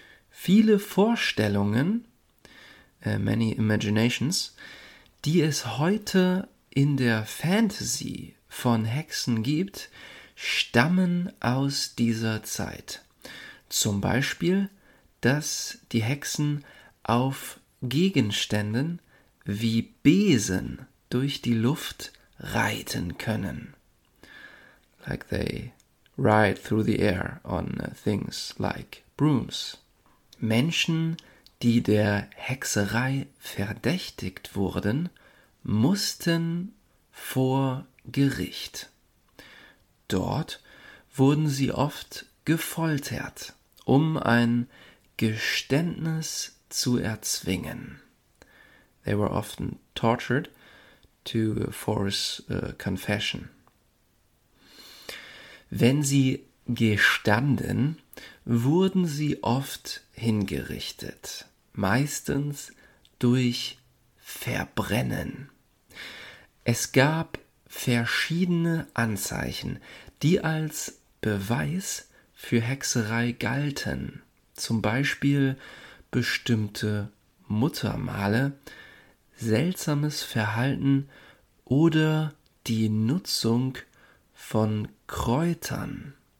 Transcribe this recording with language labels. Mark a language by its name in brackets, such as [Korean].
[German] Viele Vorstellungen, [English] many imaginations, [German] die es heute in der Fantasy von Hexen gibt, stammen aus dieser Zeit. Zum Beispiel, dass die Hexen auf Gegenständen wie Besen durch die Luft reiten können. [English] Like they ride through the air on things like brooms. [German] Menschen, die der Hexerei verdächtigt wurden, mussten vor Gericht. Dort wurden sie oft gefoltert, um ein Geständnis zu erzwingen. [English] They were often tortured to force a confession. [German] Wenn sie gestanden, wurden sie oft hingerichtet, meistens durch Verbrennen. Es gab verschiedene Anzeichen, die als Beweis für Hexerei galten, zum Beispiel bestimmte Muttermale, seltsames Verhalten oder die Nutzung von Kräutern.